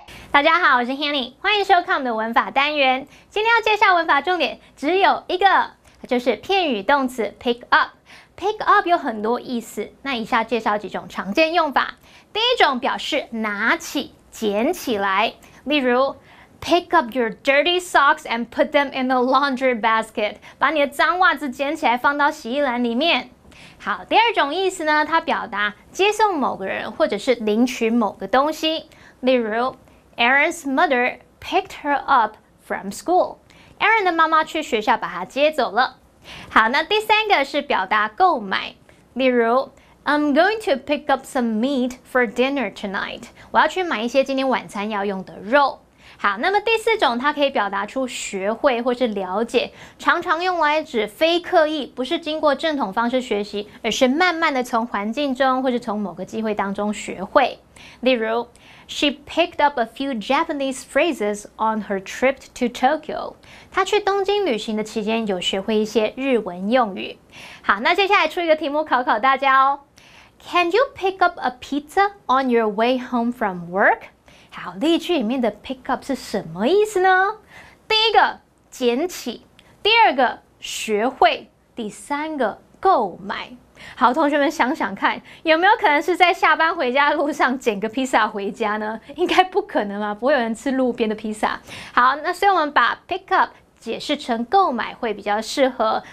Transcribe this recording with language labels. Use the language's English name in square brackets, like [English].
[Chinese] 大家好，我是 Hanny， 欢迎收看我们的文法单元。今天要介绍文法重点只有一个，就是片语动词 pick up。 pick up 有很多意思，那以下介绍几种常见用法。第一种表示拿起、捡起来，例如。 [English] Pick up your dirty socks and put them in the laundry basket. [Chinese] 把你的脏袜子捡起来放到洗衣篮里面。好，第二种意思呢，它表达接送某个人或者是领取某个东西。例如 [English] ，Aaron's mother picked her up from school. [Chinese] Aaron 的妈妈去学校把她接走了。好，那第三个是表达购买。例如 [English] ，I'm going to pick up some meat for dinner tonight. [Chinese] 我要去买一些今天晚餐要用的肉。好，那么第四种它可以表达出学会或是了解，常常用来指非刻意，不是经过正统方式学习，而是慢慢的从环境中或是从某个机会当中学会。例如 [English] ，She picked up a few Japanese phrases on her trip to Tokyo. [Chinese] 她去东京旅行的期间有学会一些日文用语。好，那接下来出一个题目考考大家哦。 [English] Can you pick up a pizza on your way home from work? [Chinese] 好，例句里面的 pick up 是什么意思呢？第一个捡起，第二个学会，第三个购买。好，同学们想想看，有没有可能是在下班回家的路上捡个披萨回家呢？应该不可能嘛，不会有人吃路边的披萨。好，那所以我们把 pick up 解释成购买会比较适合。